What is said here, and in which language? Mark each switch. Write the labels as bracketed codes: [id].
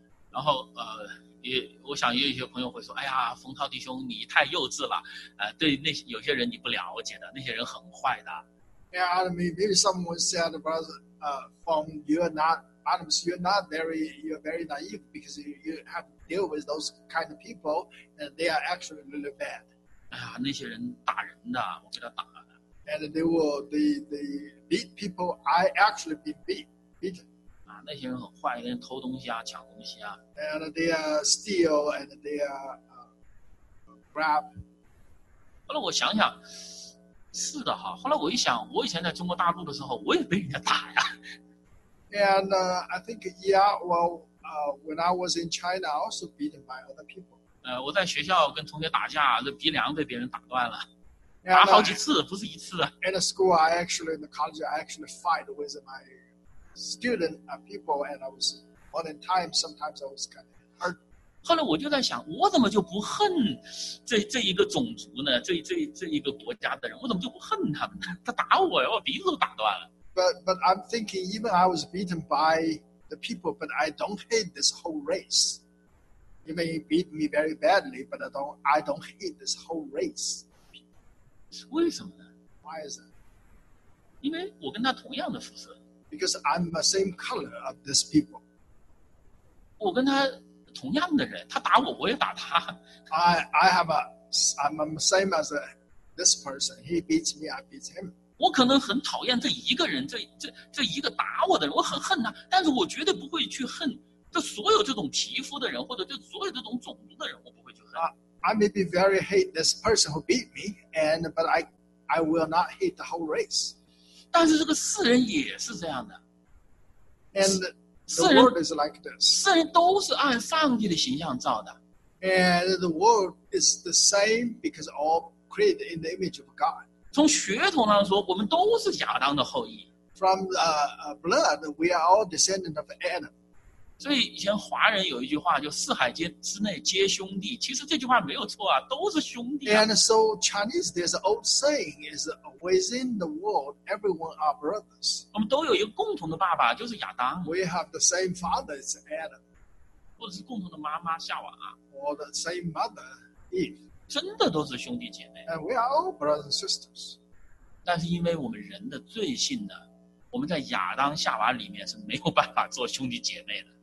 [zh] 然后我想也有一些朋友会说，哎呀，冯涛弟兄，你太幼稚了。对那些有些人你不了解的，那些人很坏的。 [en] Yeah, maybe someone said, "Brother, from you're not." Adams, you're very naive because you have to deal with those kind of people, and they are actually really bad. [zh] 哎呀，那些人打人的，我给他打了。 [en] And they beat people. I actually beaten. [zh] 啊，那些人很坏，人偷东西啊，抢东西啊。 [en] And they are steal and they are grab. [zh] 后来我想想，是的哈。后来我一想，我以前在中国大陆的时候，我也被人家打呀。 [en] And I think, yeah, well, when I was in China, I also beaten by other people. [zh] 我在学校跟同学打架，这鼻梁被别人打断了， and, 打好几次，不是一次。 [en] In a school, I actually, in the college, I actually fight with my student people, and I was, one time, sometimes I was kind of hurt. [zh] 后来我就在想，我怎么就不恨这一个种族呢？这一个国家的人，我怎么就不恨他们呢？他打我呀，我鼻子都打断了。 [en] But I'm thinking even I was beaten by the people, but I don't hate this whole race. You may beat me very badly, but I don't hate this whole race. [zh] 为什么呢？ [en] Why is that? [zh] 因为我跟他同样的肤色。 [en] Because I'm the same color of this people. [zh] 我跟他同样的人，他打我，我也打他。 [en] I'm the same as this person. He beats me, I beat him. [zh] 我可能很讨厌这一个人，这一个打我的人，我很恨他，但是我绝对不会去恨这所有这种皮肤的人，或者这所有这种种族的人，我不会去恨。 [en] I may be very hate this person who beat me, and but I will not hate the whole race. [zh] 但是这个世人也是这样的。 [en] And the world is like this. [zh] 世人都是按上帝的形象造的。 [en] And the world is the same because all created in the image of God. [zh] 从血统上说，我们都是亚当的后裔。 [en] from blood, we are all descendants of Adam. [zh] 所以以前华人有一句话，就四海之内皆兄弟。其实这句话没有错啊，都是兄弟、啊。 [en] And so Chinese, there's an old saying is within the world, everyone are brothers. [zh] 我们都有一个共同的爸爸，就是亚当。 [en] We have the same father, it's Adam. [zh] 或者是共同的妈妈夏娃。 [en] Or the same mother, Eve. [zh] 真的都是兄弟姐妹。 [en] And we are all brothers and sisters. [zh] 但是因为我们人的罪性呢，我们在亚当夏娃里面是没有办法做兄弟姐妹的。